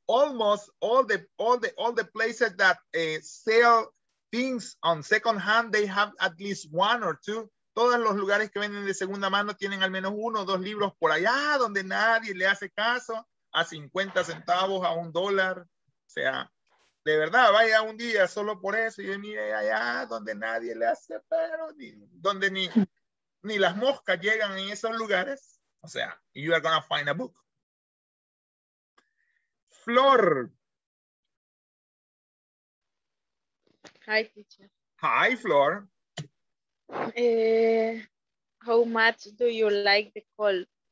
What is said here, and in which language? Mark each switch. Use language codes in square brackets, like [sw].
[en] Almost all the places that sell things on second hand, they have at least one or two. [es] Todos los lugares que venden de segunda mano tienen al menos uno o dos libros por allá donde nadie le hace caso, a 50 centavos, a $1. O sea, de verdad, vaya un día solo por eso y mire allá donde nadie le hace pero, donde ni las moscas llegan en esos lugares. O sea, [en] you are gonna find a book. Flor. Hi, teacher. Hi, Flor. How much do you like the cold?